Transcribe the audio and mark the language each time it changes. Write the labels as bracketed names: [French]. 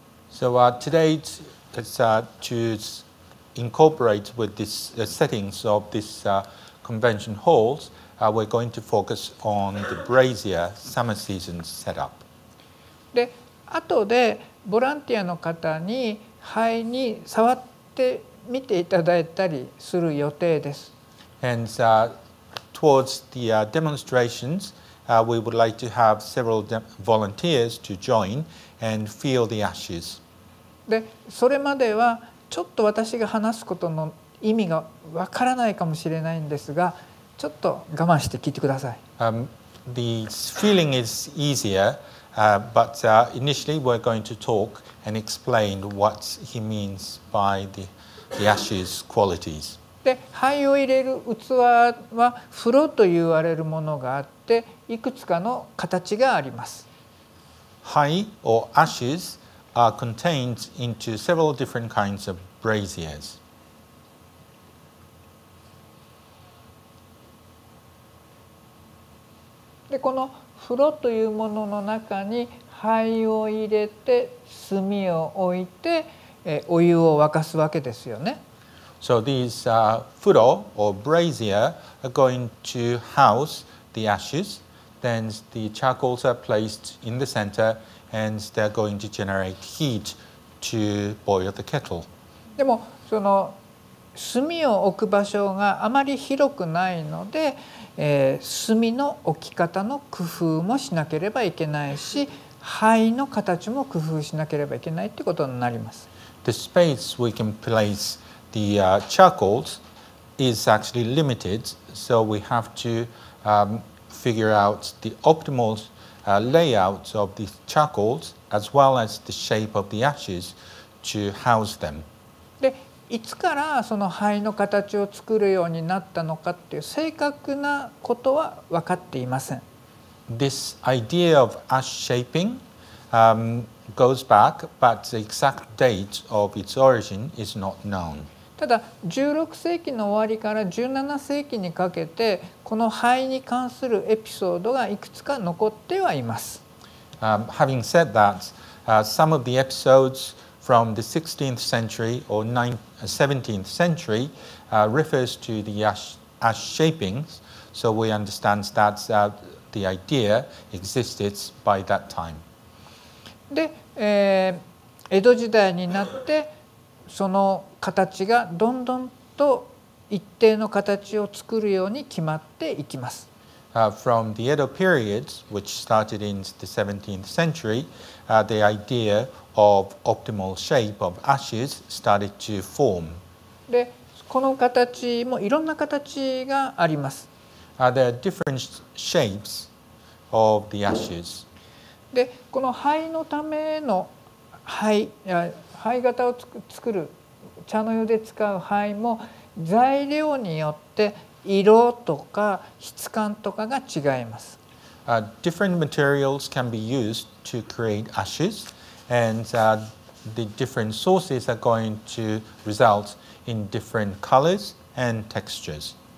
[English] So today it's to incorporate with this settings of this convention halls. We're going to focus on the brazier summer season setup. [Japanese] で、後でボランティアの方に灰に触ってみていただいたりする予定です。 [English] And towards the demonstrations, we would like to have several volunteers to join and feel the ashes. [Japanese] で、それまではちょっと私が話すことの意味がわからないかもしれないんですが。ちょっと我慢して聞いてください。 [English] The feeling is easier, but initially we're going to talk and explain what he means by the ashes qualities. [Japanese] で、灰を入れる器は風呂と言われるものがあって、いくつかの形があります。 [English] 灰 or ashes are contained into several different kinds of braziers. [Japanese] でこの風呂というものの中に灰を入れて炭を置いてお湯を沸かすわけですよね。 [English] So these furo or brazier are going to house the ashes. Then the charcoals are placed in the center and they're going to generate heat to boil the kettle. [Japanese] でもその炭を置く場所があまり広くないので、炭の置き方の工夫もしなければいけないし灰の形も工夫しなければいけないということになります。 [English] The space we can place the charcoals is actually limited, so we have to figure out the optimal layout of these charcoals as well as the shape of the ashes to house them. [Japanese] いつからその灰の形を作るようになったのかっていう正確なことは分かっていません。 [English] This idea of ash shaping, goes back, but the exact date of its origin is not known. [Japanese] ただ16世紀の終わりから17世紀にかけてこの灰に関するエピソードがいくつか残ってはいます。 [English] Having said that, some of the episodes from the 16th century or 17th century refers to the ash shapings, so we understand that the idea existed by that time. [Japanese] で、江戸時代になってその形がどんどんと一定の形を作るように決まっていきます。 [English] From the Edo period, which started in the 17th century, the idea of optimal shape of ashes started to form. [Japanese] で、この形もいろんな形があります。 [English] There are different shapes of the ashes. [Japanese] で、この灰のための灰、灰型を作る、茶の湯で使う灰も材料によって色とか質感とかが違います。 [English] Different materials can be used to create ashes, and the different sources are going to result in different colors and textures.